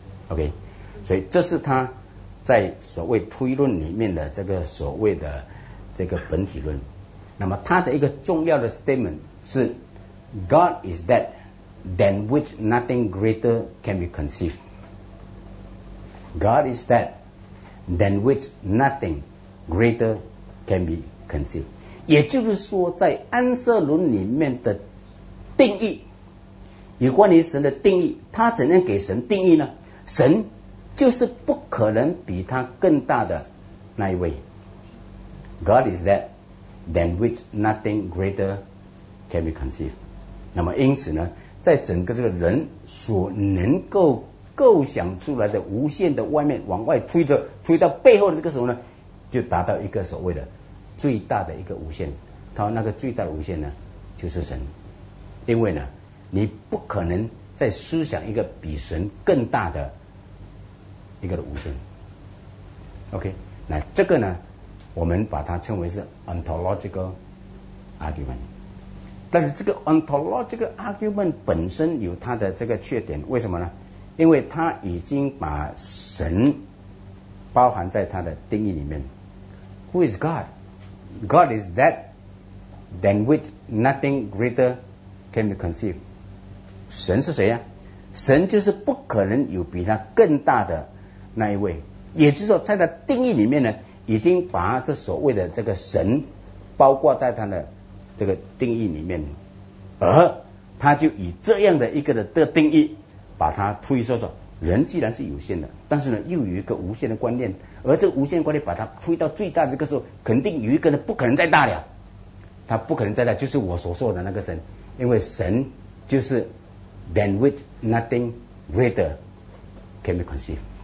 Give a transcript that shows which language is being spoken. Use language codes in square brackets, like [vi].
[zh] OK， 所以这是他在所谓推论里面的这个所谓的这个本体论，那么他的一个重要的 statement 是 [en] God is that than which nothing greater can be conceived. God is that than which nothing greater can be conceived. [zh] 也就是说在安瑟伦里面的定义，有关于神的定义，他怎样给神定义呢？神就是不可能比他更大的那一位。 [en] God is thatthan which nothing greater can be conceived. [zh] 那么因此呢，在整个这个人所能够构想出来的无限的外面往外推着推到背后的这个时候呢，就达到一个所谓的最大的一个无限，他那个最大的无限呢就是神，因为呢你不可能再思想一个比神更大的一个的无限 OK， 那这个呢我们把它称为是 ontological argument， 但是这个 ontological argument 本身有它的这个缺点，为什么呢？因为它已经把神包含在它的定义里面。 [en] Who is God? God is that than which nothing greater can be conceived. [zh] 神是谁呀？神就是不可能有比他更大的那一位，也就是说在它的定义里面呢已经把这所谓的这个神包括在他的这个定义里面，而他就以这样的一个的定义把它推说说人既然是有限的，但是呢又有一个无限的观念，而这个无限观念把它推到最大的这个时候，肯定有一个人不可能再大了，他不可能再大，就是我所说的那个神，因为神就是 [en] than which nothing greater can be conceived，